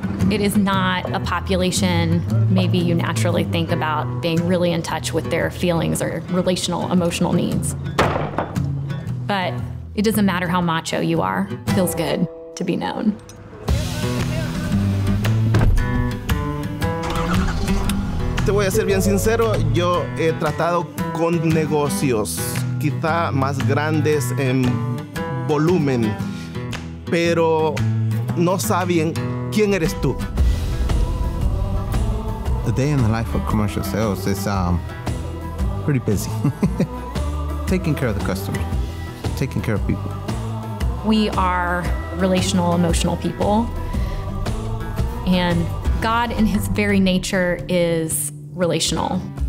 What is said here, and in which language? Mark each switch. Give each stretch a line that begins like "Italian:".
English: It is not a population maybe you naturally think about being really in touch with their feelings or relational, emotional needs. But it doesn't matter how macho you are, it feels good to be known.
Spanish: Te voy a ser bien sincero, yo he tratado con negocios quizá más grandes en volumen, pero no saben quién eres tú.
English: The day in the life of commercial sales is pretty busy. Taking care of the customer, taking care of people. We are relational, emotional people. And God in His very nature is relational.